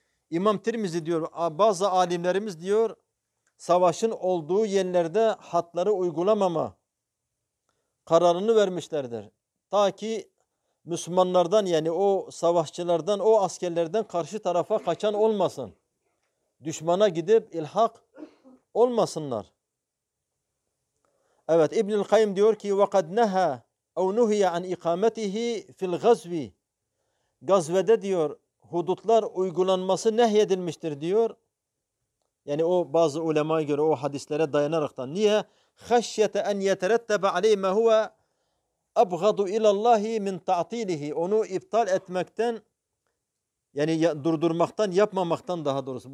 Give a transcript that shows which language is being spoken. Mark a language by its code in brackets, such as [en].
[tr] İmam Tirmizi diyor, bazı alimlerimiz diyor savaşın olduğu yerlerde hatları uygulamama kararını vermişlerdir. Ta ki Müslümanlardan yani o savaşçılardan, o askerlerden karşı tarafa kaçan olmasın. Düşmana gidip ilhak olmasınlar. Evet, İbnül Kayyim diyor ki [ar] وَقَدْ نَهَا اَوْ نُهِيَ عَنْ اِقَامَتِهِ فِي الْغَزْوِ. [tr] Gazvede diyor hudutlar uygulanması nehyedilmiştir diyor. Yani o bazı ulemaya göre o hadislere dayanaraktan. Niye? [ar] خَشْيَةَ اَنْ يَتَرَتَّبَ عَلَيْهِ مَا هُوَ أَبْغَضُ إِلَى اللّٰهِ مِنْ تَعْطِيلِهِ. [tr] Onu iptal etmekten, yani durdurmaktan, yapmamaktan daha doğrusu.